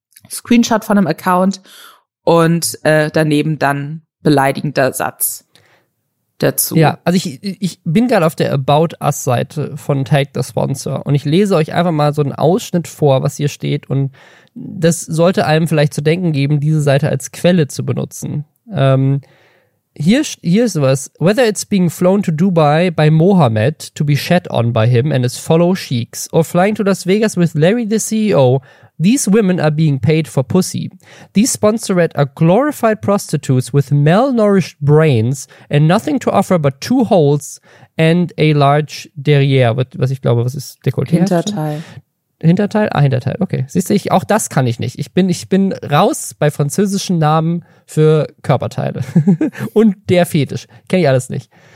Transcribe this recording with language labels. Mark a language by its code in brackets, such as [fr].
[de] Screenshot von einem Account und daneben dann beleidigender Satz dazu. Ja, also ich bin gerade auf der About Us-Seite von Tag the Sponsor und ich lese euch einfach mal so einen Ausschnitt vor, was hier steht, und das sollte einem vielleicht zu denken geben, diese Seite als Quelle zu benutzen. Hier ist sowas. [en] Whether it's being flown to Dubai by Mohammed to be shat on by him and his fellow sheiks, or flying to Las Vegas with Larry the CEO, these women are being paid for pussy. These sponsored are glorified prostitutes with malnourished brains and nothing to offer but two holes and a large derriere. [de] Was ich glaube, was ist Dekolleté? Hinterteil? Ah, Hinterteil, okay. Siehst du, auch das kann ich nicht. Ich bin raus bei französischen Namen für Körperteile. Und der Fetisch. Kenne ich alles nicht.